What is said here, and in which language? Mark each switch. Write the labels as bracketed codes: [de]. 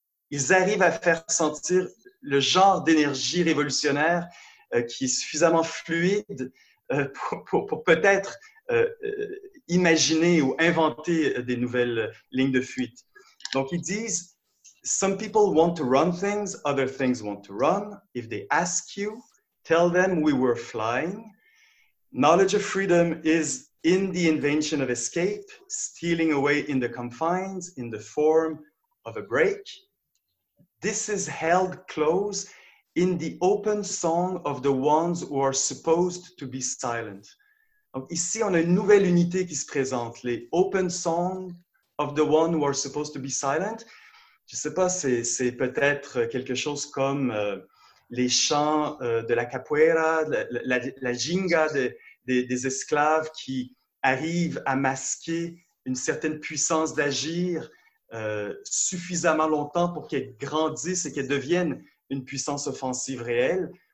[fr] Ils arrivent à faire sentir le genre d'énergie révolutionnaire qui est suffisamment fluide pour peut-être imaginer ou inventer des nouvelles lignes de fuite. Donc, ils disent: [en] Some people want to run things, other things want to run. If they ask you, tell them we were flying. Knowledge of freedom is in the invention of escape, stealing away in the confines, in the form of a break. This is held close in the open song of the ones who are supposed to be silent. [fr] Donc, ici, on a une nouvelle unité qui se présente, les [en] open songs of the one who are supposed to be silent. [fr] Je ne sais pas, c'est peut-être quelque chose comme les chants de la capoeira, la ginga des esclaves qui arrivent à masquer une certaine puissance d'agir suffisamment longtemps pour qu'elle grandisse et qu'elle devienne une puissance offensive réelle.